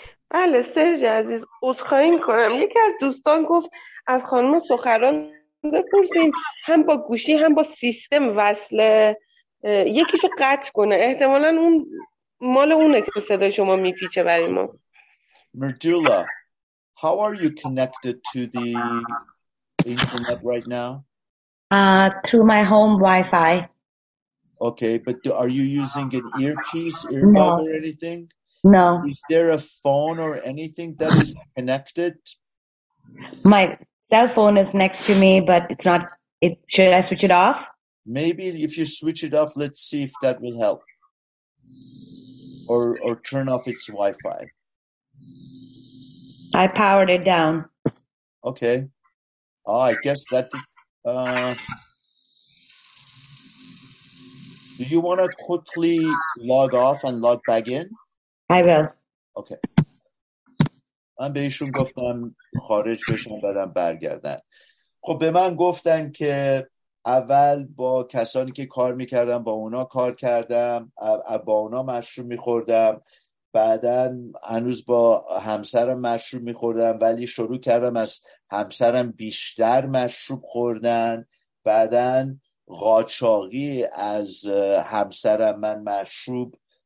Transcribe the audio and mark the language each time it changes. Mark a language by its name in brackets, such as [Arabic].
[Persian] بله سرج عزیز، عذرخواهی میکنم. یکی از دوستان گفت از خانم سخران بپرسین هم با گوشی هم با سیستم وصله، یکیشو قطع کنه، احتمالا اون مال اونه که صدای شما میپیچه برای ما. [English] Merdula, how are you connected to the internet right now? Through my home Wi-Fi. Okay, but are you using an earpiece, earbud or anything? No. Is there a phone or anything that is connected? My cell phone is next to me, but it's not. Should I switch it off? Maybe if you switch it off, let's see if that will help. Or turn off its Wi-Fi. I powered it down. Okay. Oh, I guess that... do you want to quickly log off and log back in? I will. Okay. [Persian] من به ایشون گفتم خارج بشن برم برگردن. خب به من گفتن که اول با کسانی که کار میکردم با اونا کار کردم، با اونا مشروب میخوردم، بعدن هنوز با همسرم مشروب میخوردم ولی شروع کردم از همسرم بیشتر مشروب خوردن، بعدن قاچاقی از همسرم من مشروب